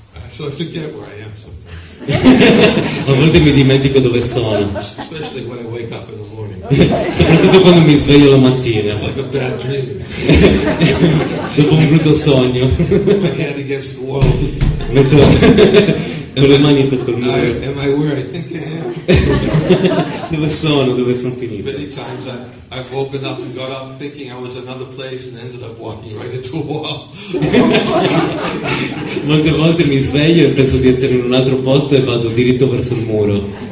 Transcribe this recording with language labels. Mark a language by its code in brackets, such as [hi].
[en] So I forget where I am sometimes. [it] A volte mi dimentico dove sono. [en] Especially when I wake up in the morning. [it] Soprattutto quando mi sveglio la mattina. [en] It's like a bad dream. [it] Dopo un brutto sogno. [en] My head against the wall. [it] Metto con le mani tocco il muro. [en] Am I where I think I am? [it] Dove sono finito? [en] Many times I've woken up and got up thinking I was another place and ended up walking right into a wall. [it] Molte volte mi sveglio e penso di essere in un altro posto e vado diritto verso il muro.